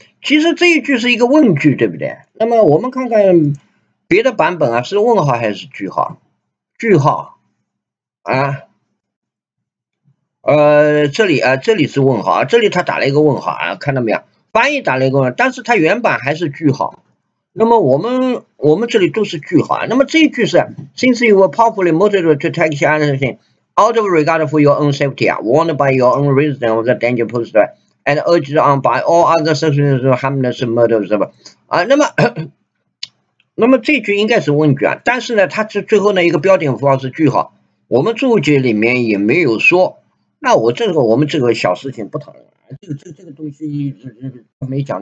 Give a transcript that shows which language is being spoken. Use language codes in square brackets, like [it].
[zh] 其实这一句是一个问句，对不对？那么我们看看别的版本啊，是问号还是句号？句号啊，这里是问号，这里他打了一个问号啊，看到没有？翻译打了一个问号，但是他原版还是句号。那么我们这里都是句号啊。那么这一句是 [en] ，Since you were powerfully motivated to take action out of regard for your own safety, warned by your own reason of the danger posed. And urged on by all other suspects of Hamlet's murder, [zh] 是吧？啊，那么这句应该是问句啊，但是呢，它最后呢一个标点符号是句号，我们注解里面也没有说。那我们这个小事情不讨论，这个东西没讲。